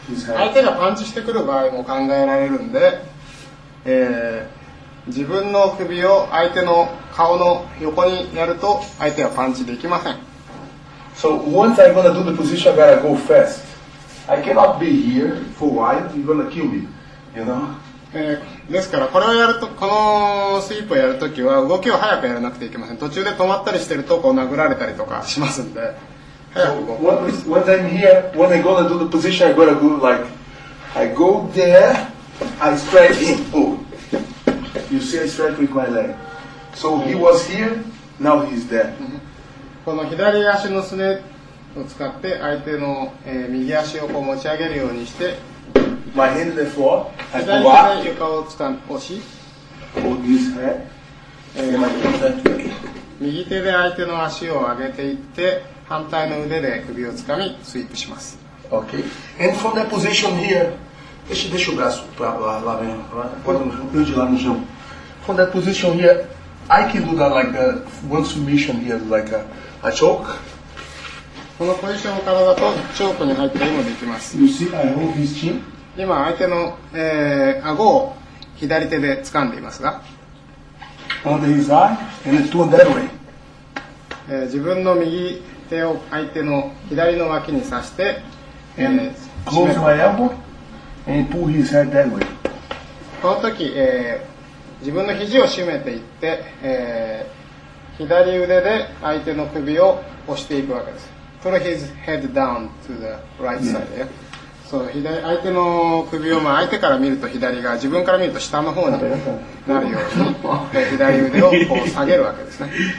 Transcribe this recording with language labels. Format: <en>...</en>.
<ja>相手がパンチしてくる場合も考えられるんで、自分の首を相手の顔の横にやると相手はパンチできません。</ja> <en>So once I'm gonna do the position, I gotta go fast. I cannot be here for a while. You're gonna kill me, you know?</en> <ja>ですからこれをやると、このスイープをやるときは動きを早くやらなくてはいけません。途中で止まったりしてるとこう殴られたりとかしますんで。</ja> <en>So when I'm here, when I'm gonna do the position, I gotta go like, I go there, I strike him. Oh, you see, I strike with my leg. So he was here, now he's there.</en> <ja>この左足のすねを使って相手の、右足をこう持ち上げるようにして、</ja> <en>my hand the floor, I go up.</en> <ja>左手で床をつかん、押し、</ja> <en>hold his head, and my hand that way.</en> <ja>右手で相手の足を上げていって。反対の腕で首をつかみスイープします。</ja> <en>Okay. And from that position here,</en> <pt>deixa o braço lá mesmo, pode me ajudar lá no chão.</pt> <en>From that position here, I can do that like that, one submission here, like a choke.</en> <ja>このポジションからだとチョークに入ったりもできます。</ja> <en>You see, I hold his chin.</en> <ja>今相手の、顎を左手で掴んでいますが。</ja> <en>Under his eye, and turn that way.</en> <ja>自分の右手を相手の左の脇に刺して、</ja> <en>and close my elbow and pull his head that way.</en> <ja>この時、自分の肘を締めていって、左腕で相手の首を押していくわけです。</ja> <en>Put his head down to the right side.、Yeah.</en> <ja>そう、相手の首を、まあ、相手から見ると左側、自分から見ると下の方になるように、左腕をこう下げるわけですね。</ja>